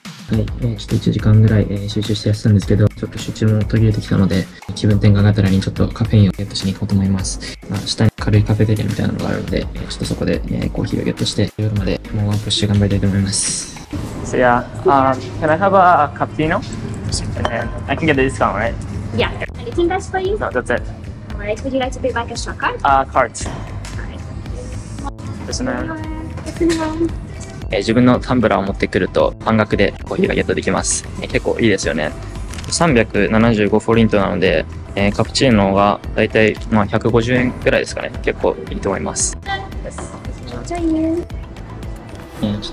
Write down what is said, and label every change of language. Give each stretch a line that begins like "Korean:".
Japanese: はい、ちょっと1時間ぐらい、集中してやってたんですけど、ちょっと集中も途切れてきたので、気分転換があったらにちょっとカフェインをゲットしに行こうと思います。下に軽いカフェテリアみたいなのがあるので、ちょっとそこで、コーヒーをゲットして夜までもうワンプッシュ頑張りたいと思います。
English: So yeah, can I have a cappuccino? I can get the discount, right? Yeah, anything that's for you? No, that's it. Alright, would you like to pay by cash or card? Card. Alright. Listen, man.
Japanese: 自分のタンブラーを持ってくると半額でコーヒーがゲットできます。結構いいですよね。 375フォリントなので、カプチーノがだいたい150円くらいですかね。結構いいと思います。ちょ